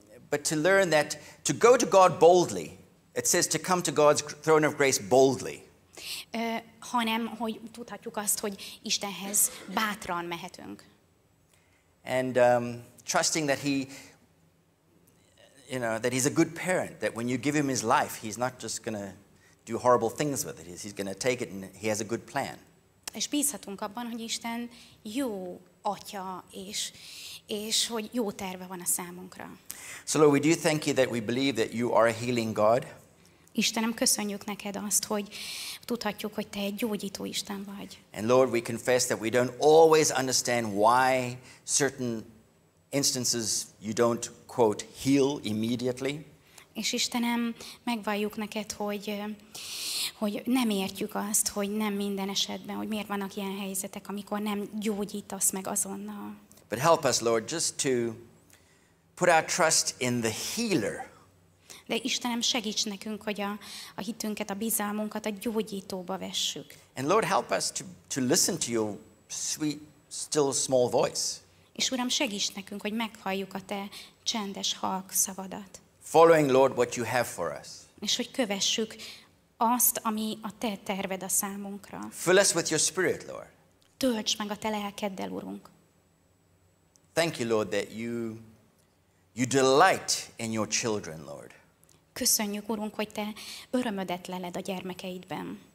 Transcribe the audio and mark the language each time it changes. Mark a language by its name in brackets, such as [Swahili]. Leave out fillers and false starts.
[English] But to learn that to go to God boldly. It says to come to God's throne of grace boldly. [Hungarian] Hanem hogy tudhatjuk azt, hogy Istenhez bátran mehetünk. [English] And trusting that he, you know, that he's a good parent, that when you give him his life, he's not just going to do horrible things with it. He's going to take it and he has a good plan. [Hungarian] És bízhatunk abban, hogy Isten jó atya, és hogy jó terve van a számunkra. [English] So Lord, we do thank you that we believe that you are a healing God. [Hungarian] Istenem, köszönjük neked azt, hogy tudhatjuk, hogy te egy gyógyító Isten vagy. [English] And Lord, we confess that we don't always understand why certain instances you don't, quote, heal immediately. [Hungarian] És Istenem, megvalljuk neked, hogy nem értjük azt, hogy nem minden esetben, hogy miért vannak ilyen helyzetek, amikor nem gyógyítasz meg azonnal. [English] But help us, Lord, just to put our trust in the healer. [Hungarian] De Istenem, segíts nekünk, hogy a hitünket, a bizalmunkat a gyógyítóba vessük. [English] And Lord, help us to listen to your sweet, still, small voice. [Hungarian] És Uram, segíts nekünk, hogy meghalljuk a te csendes, halk szavadat. [English] Following, Lord, what you have for us. [Hungarian] És hogy kövessük azt, ami a te terved a számunkra. [English] Fill us with your spirit, Lord. [Hungarian] Töltsd meg a te lelkeddel, Urunk. [English] Thank you, Lord, that you delight in your children, Lord. [Hungarian] Köszönjük, Urunk, hogy te örömödet leled a gyermekeidben.